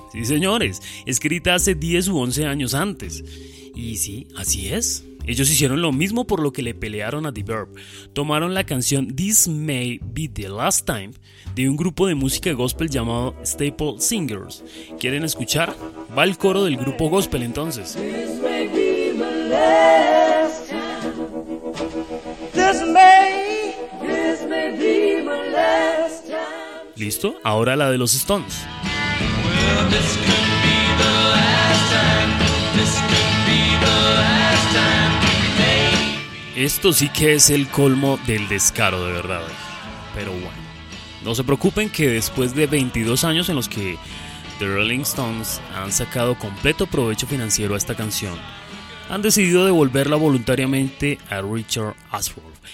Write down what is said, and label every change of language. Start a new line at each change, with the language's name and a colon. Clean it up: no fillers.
Spanish: Sí, señores, escrita hace 10 u 11 años antes. Y sí, así es. Ellos hicieron lo mismo por lo que le pelearon a The Verb. Tomaron la canción This May Be The Last Time de un grupo de música gospel llamado Staple Singers. ¿Quieren escuchar? Va el coro del grupo gospel entonces.
English: This may be the last time. This may be my last time.
Spanish: ¿Listo? Ahora la de los Stones.
English: Well, this could be the last time. This could be the last time.
Spanish: Esto sí que es el colmo del descaro, de verdad. Pero bueno, no se preocupen que después de 22 años en los que The Rolling Stones han sacado completo provecho financiero a esta canción, han decidido devolverla voluntariamente a Richard Ashworth.